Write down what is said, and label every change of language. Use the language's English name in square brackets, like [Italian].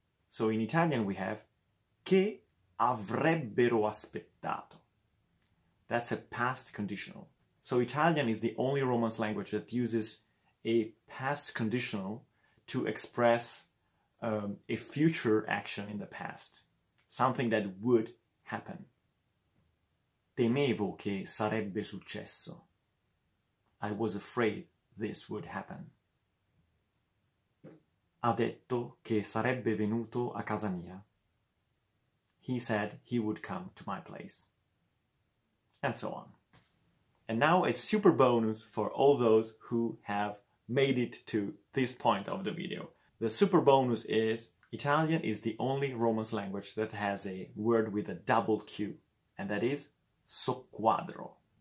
[English] So in Italian, we have [Italian] che avrebbero aspettato. [English] That's a past conditional. So Italian is the only Romance language that uses a past conditional to express a future action in the past, something that would happen. [Italian] Temevo che sarebbe successo. [English] I was afraid this would happen. [Italian] Ha detto che sarebbe venuto a casa mia. [English] He said he would come to my place. And so on. And now a super bonus for all those who have made it to this point of the video. The super bonus is Italian is the only Romance language that has a word with a double Q, and that is soqquadro.